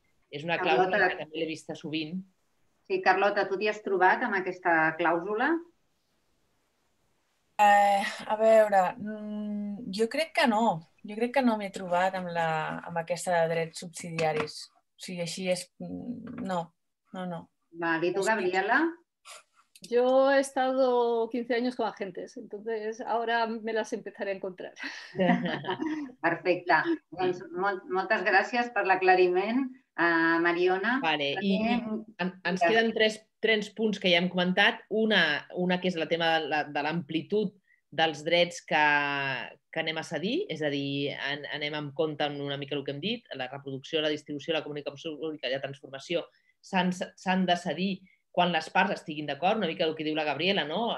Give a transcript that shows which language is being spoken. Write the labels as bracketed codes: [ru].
[ca] És una clàusula, Carlota, que també l'he vista sovint. Sí, Carlota, tu t'hi has trobat amb aquesta clàusula? A veure, jo crec que no. Jo crec que no m'he trobat amb aquesta de drets subsidiaris. O sigui, així és... No, no, no. [es] Vale, ¿y tú, Gabriela? Yo he estado 15 años con agentes, entonces ahora me las empezaré a encontrar. [ca] Perfecte. Doncs moltes gràcies per l'aclariment, Mariona. Vale, ens queden tres punts que ja hem comentat. Una que és el tema de l'amplitud dels drets que anem a cedir, és a dir, anem amb compte amb una mica el que hem dit, la reproducció, la distribució, la comunicació pública i la transformació s'han de cedir quan les parts estiguin d'acord, una mica el que diu la Gabriela, no?